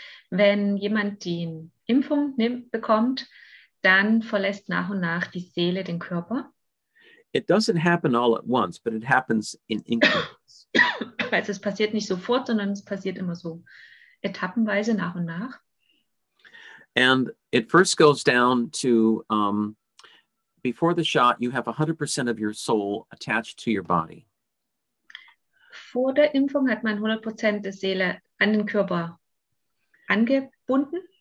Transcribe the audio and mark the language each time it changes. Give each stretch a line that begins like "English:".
German: Wenn jemand die Impfung bekommt, dann verlässt nach und nach die Seele den Körper.
English: It doesn't happen all at once, but it happens in increments.
German: Also es passiert nicht sofort, sondern es passiert immer so etappenweise nach und nach.
English: And it first goes down to, before the shot, you have 100% of your soul attached to your body.
German: Vor der Impfung hat man 100% der Seele an den Körper angebunden.